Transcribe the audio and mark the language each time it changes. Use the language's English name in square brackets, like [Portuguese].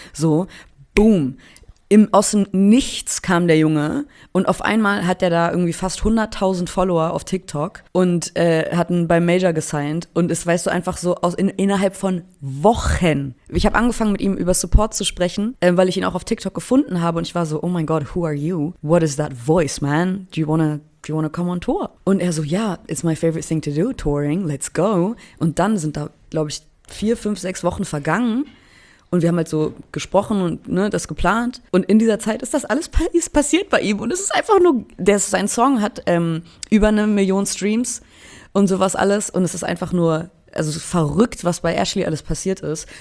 [German] So, boom. Aus dem Nichts kam der Junge und auf einmal hat er da irgendwie fast 100.000 Follower auf TikTok und hat einen bei Major gesigned und ist, weißt du, einfach so innerhalb von Wochen. Ich habe angefangen, mit ihm über Support zu sprechen, weil ich ihn auch auf TikTok gefunden habe und ich war so, oh mein Gott, [English] who are you? What is that voice, man? Do you wanna come on tour? [German] Und er so, [English] yeah, it's my favorite thing to do, touring, let's go. [German] Und dann sind da, glaube ich, 4, 5, 6 Wochen vergangen. Und wir haben halt so gesprochen und ne, das geplant. Und in dieser Zeit ist das alles passiert bei ihm. Und es ist einfach nur, sein Song hat über 1 Million Streams und sowas alles. Und es ist einfach nur, also so verrückt, was bei Ashley alles passiert ist.